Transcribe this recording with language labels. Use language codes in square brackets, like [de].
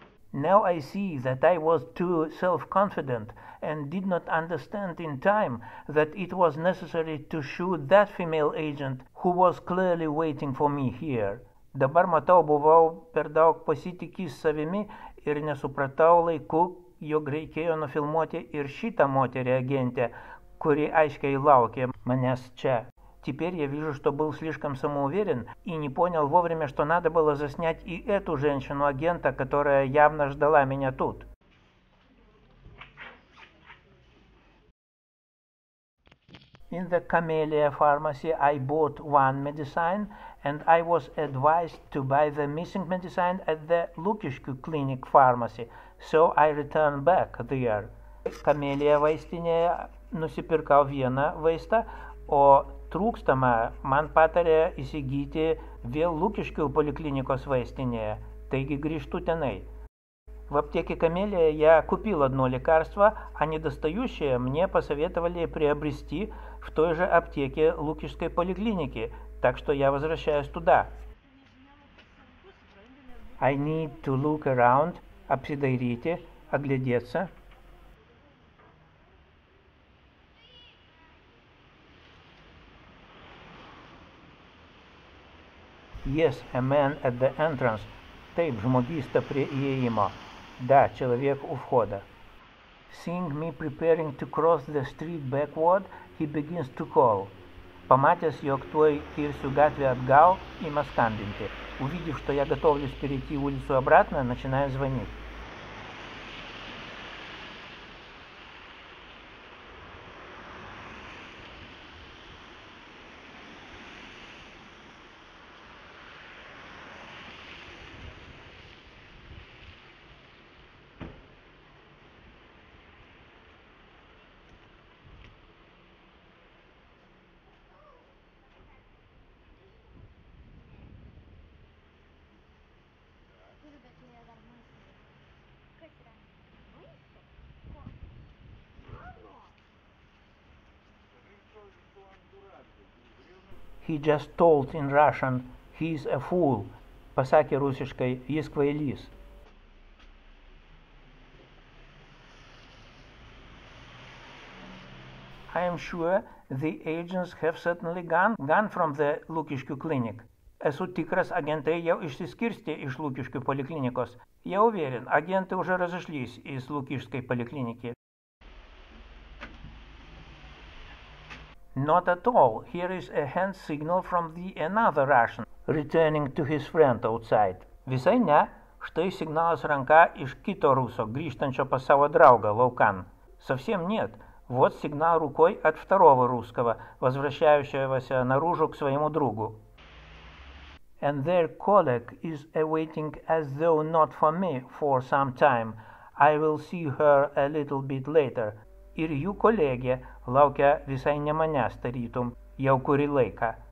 [en] Now I see that I was too self-confident and did not understand in time that it was necessary to shoot that female agent who was clearly waiting for me here. [lt] Dabar matau, buvau per daug pasitikis savimi ir nesupratau laiku, jog reikėjo nufilmuoti ir šitą moterį agentę, kuri aiškiai laukė manęs čia. [ru] Теперь я вижу, что был слишком самоуверен и не понял вовремя, что надо было заснять и эту женщину-агента, которая явно ждала меня тут. [en] In the Camellia Pharmacy I bought one medicine and I was advised to buy the missing medicine at the Lukiškių Clinic Pharmacy, so I returned back there. [lt] Камелия вайстинėje nusipirkau vieną vaistą, o trūkstamą man patarė įsigyti vėl Lukiškių poliklinikos vaistinėje, taigi grįžtu tenai. [ru] В аптеке Камелия я купил одно лекарство, а недостающее мне посоветовали приобрести в той же аптеке Лукишской поликлиники, так что я возвращаюсь туда. [en] I need to look around, [ru] обсидайрите, оглядеться. [en] Yes, a man at the entrance. [lt] Taip, žmogysta prie įėjimo. [ru] Да, человек у входа. [en] Seeing me preparing to cross the street backward, he begins to call. [lt] Pamatęs, jog tuoj kirsiu gatvę atgal, ima skambinti. [ru] Увидев, что я готовлюсь перейти улицу обратно, начинаю звонить. [en] He just told in Russian, he is a fool. [lt] Pasakė rusiškai, jis kvailys. [en] I am sure the agents have certainly gone from the Lukiškių clinic. [lt] Esu tikras, agentai jau išsiskirstė iš Lukiškių poliklinikos. Jau vėlin, agentai už razašlys į Lukiškių poliklinikį. [en] Not at all. Here is a hand signal from the another Russian returning to his friend outside. [lt] Visai ne. Štai signalas ranka iš kito ruso, grįžtančio pas savo draugą laukan. [ru] Совсем нет. Вот сигнал рукой от второго русского, возвращающегося наружу к своему другу. [en] And their colleague is awaiting as though not for me for some time. I will see her a little bit later. [lt] Ir jų kolegė laukia visai ne manęs tarytum, jau kurį laiką.